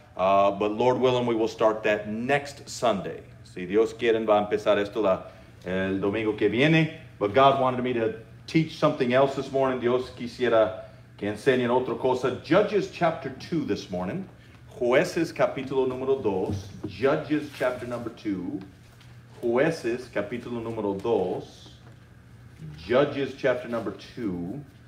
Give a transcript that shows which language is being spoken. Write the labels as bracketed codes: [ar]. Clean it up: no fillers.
[en] But Lord willing, we will start that next Sunday. [es] Si Dios quiere, va a empezar esto el domingo que viene. [en] But God wanted me to teach something else this morning. [es] Dios quisiera que enseñen otra cosa. [en] Judges chapter 2 this morning. [es] Jueces capítulo número 2. [en] Judges chapter number 2. [es] Jueces capítulo número 2. [en] Judges chapter number 2.